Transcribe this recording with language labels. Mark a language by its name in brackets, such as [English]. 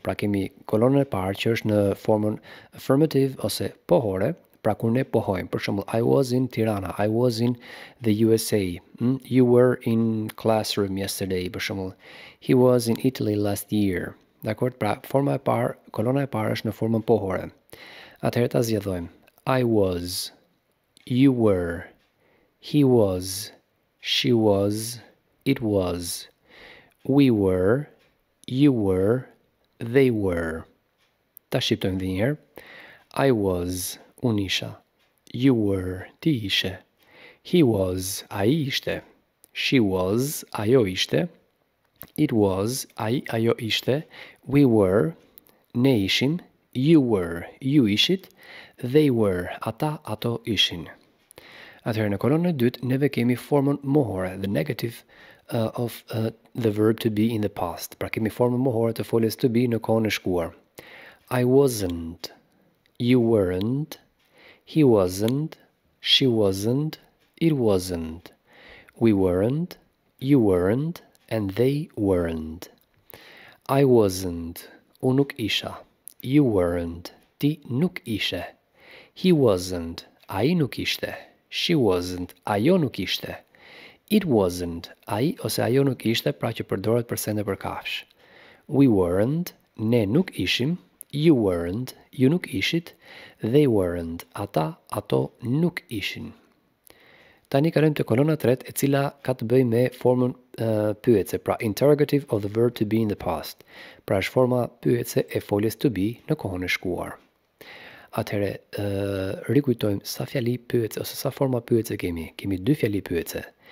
[Albanian] Pra kemi kolonën e parë që është në formën affirmative ose pohore, pra kur ne pohojmë. Për shembull, [English] I was in Tirana, I was in the USA, you were in classroom yesterday, [Albanian] për shembull, [English] he was in Italy last year. [Albanian] Dakor, pra forma e parë, kolona e parë është në formën pohore. Atëherë ta zgjedhojmë. [English] I was, you were, he was, she was, it was, we were, you were, they were. [Albanian] Ta shqiptojmë dhe njëherë. [English] I was, [Albanian] unë isha, [English] you were, [Albanian] ti ishe, [English] he was, [Albanian] ai ishte, [English] she was, [Albanian] ajo ishte, [English] it was, [Albanian] ajo ishte, [English] we were, [Albanian] ne ishim, you were, ju ishit, [English] they were, [Albanian] ata, ato ishin. Atëherë në kolonën e dytë, neve kemi formën mohore, [English] the negative of the verb to be in the past. [Albanian] Pra kemi formën mohore të foljes to be në kohën e shkuar. [English] I wasn't, you weren't, he wasn't, she wasn't, it wasn't, we weren't, you weren't, and they weren't. I wasn't, [Albanian] unë nuk isha, [English] you weren't, [Albanian] ti nuk ishe, [English] he wasn't, [Albanian] ai nuk ishte, [English] she wasn't, [Albanian] ajo nuk ishte, [English] it wasn't, [Albanian] ai ose ajo nuk ishte, pra që përdoret për sende përkafsh. [English] We weren't, [Albanian] ne nuk ishim, [English] you weren't, [Albanian] ju nuk ishit, [English] they weren't, [Albanian] ata, ato nuk ishin. Tani kalojmë te kolona 3, e cila ka të bëjë me formën pyetëse, pra [English] interrogative of the verb to be in the past. [Albanian] Pra është forma pyetëse e foljes to be në kohën e shkuar. Atëherë, rikujtojmë sa fjali pyetëse ose sa forma pyetëse kemi. Kemi dy fjali pyetëse.